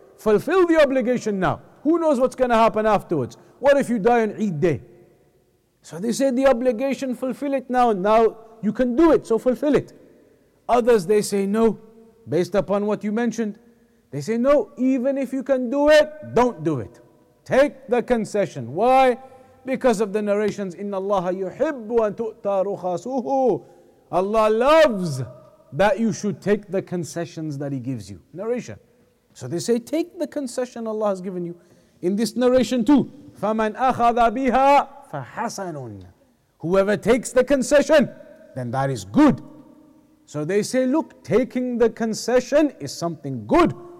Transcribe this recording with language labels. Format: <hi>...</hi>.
<en>Fulfill the obligation now. Who knows what's going to happen afterwards? What if you die on Eid day? So they say the obligation, fulfill it now. Now you can do it, so fulfill it. Others, they say no, based upon what you mentioned. They say no, even if you can do it, don't do it. Take the concession. Why? Because of the narrations,</en> <ar>إِنَّ اللَّهَ يُحِبُّ أَن تُؤْتَى رُخَصُهُ.</ar> <en>Allah loves that you should take the concessions that He gives you. Narration. So they say, take the concession Allah has given you. In this narration too,</en> <ar>فَمَنْ أَخَذَ بِهَا فَحَسَنٌ.</ar> <en>Whoever takes the concession, then that is good. So they say, look, taking the concession is something good.</en>